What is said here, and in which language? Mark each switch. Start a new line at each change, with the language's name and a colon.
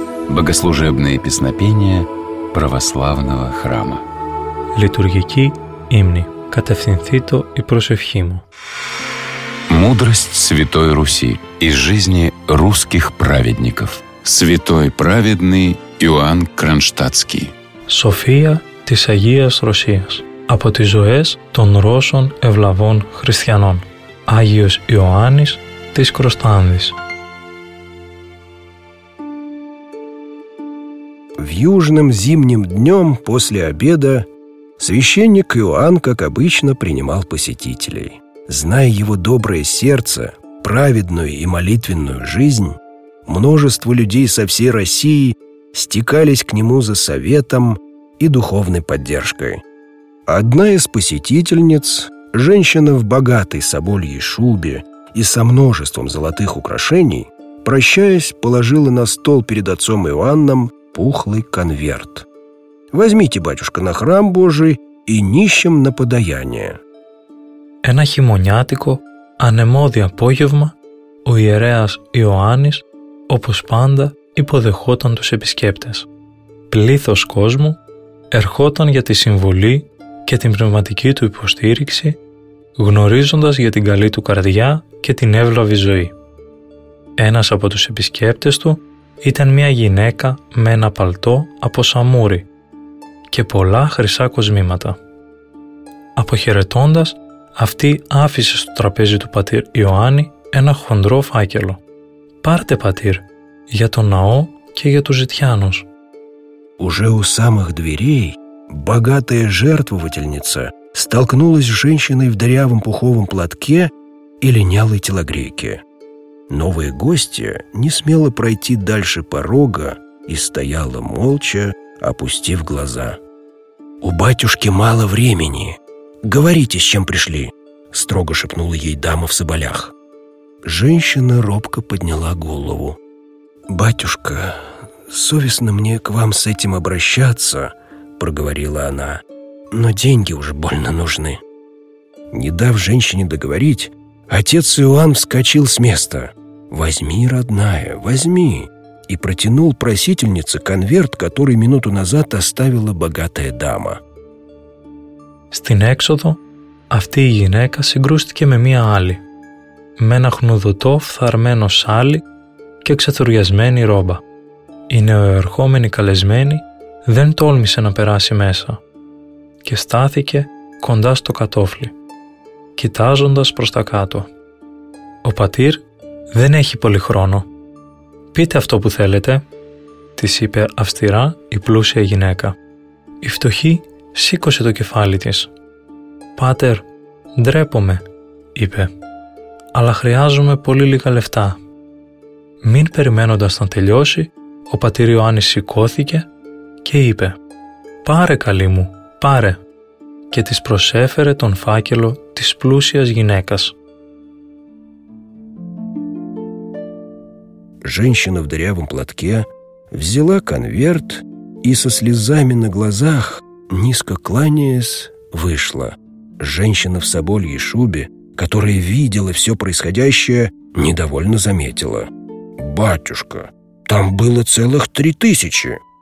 Russian: Богослужебные песнопения православного храма.
Greek: Литургики имни. Катевсинфито и прошевхиму.
Russian: Мудрость Святой Руси из жизни русских праведников. Святой праведный Иоанн Кронштадтский.
Greek: София της Αγίας Ρωσίας. Από τις ζωές των Ρώσων ευλαβών χριστιανών. Άγιος Ιωάννης της Κροστάνδης.
Russian: В южном зимнем днем после обеда священник Иоанн, как обычно, принимал посетителей. Зная его доброе сердце, праведную и молитвенную жизнь, множество людей со всей России стекались к нему за советом и духовной поддержкой. Одна из посетительниц, женщина в богатой собольей шубе и со множеством золотых украшений, прощаясь, положила на стол перед отцом Иоанном пухлый конверт. «Возьмите, батюшка, на храм Божий и нищим на подаяние».
Greek: Ένα χειμωνιάτικο, ανεμόδι απόγευμα, ο ιερέας Ιωάννης, όπως πάντα, υποδεχόταν τους επισκέπτες. Πλήθος κόσμου ερχόταν για τη συμβουλή και την πνευματική του υποστήριξη, γνωρίζοντας για την καλή του καρδιά και την εύλαβη ζωή. Ένας από τους επισκέπτες του ήταν μια γυναίκα με ένα παλτό από σαμούρι και πολλά χρυσά κοσμήματα. Αποχαιρετώντας, αυτή άφησε στο τραπέζι του πατήρ Ιωάννη ένα χοντρό φάκελο. «Πάρτε, πατήρ, για τον ναό και για τους ζητιάνους».
Russian: Уже у самых дверей богатая жертвовательница столкнулась с женщиной в дырявом пуховом платке и линялой телогрейке. Новые гости не смело пройти дальше порога и стояла молча, опустив глаза. «У батюшки мало времени. Говорите, с чем пришли», — строго шепнула ей дама в соболях. Женщина робко подняла голову. «Батюшка, совестно мне к вам с этим обращаться», — проговорила она, — «но деньги уж больно нужны». Не дав женщине договорить, отец Иоанн вскочил с места. «Возьми, родная, возьми!» и протянул просительнице конверт, который минуту назад оставила богатая дама.
Greek: Στην έξοδο αυτή η γυναίκα συγκρούστηκε με μία άλλη, με ένα χνουδωτό φθαρμένο σάλι και ξεθουριασμένη ρόμπα. Η νεοερχόμενη καλεσμένη δεν τόλμησε να περάσει μέσα και στάθηκε κοντά στο κατόφλι, κοιτάζοντας προς τα κάτω. Ο πατήρ «Δεν έχει πολύ χρόνο. Πείτε αυτό που θέλετε», της είπε αυστηρά η πλούσια γυναίκα. Η φτωχή σήκωσε το κεφάλι της. «Πάτερ, ντρέπομαι», είπε, «αλλά χρειάζομαι πολύ λίγα λεφτά». Μην περιμένοντας να τελειώσει, ο πατήρ Ιωάννης σηκώθηκε και είπε, «Πάρε, καλή μου, πάρε», και της προσέφερε τον φάκελο της πλούσιας γυναίκας.
Russian: Женщина в дырявом платке взяла конверт и со слезами на глазах низко кланяясь, вышла. Женщина в собольей шубе, которая видела все происходящее, недовольно заметила: «Батюшка, там было целых 3000!»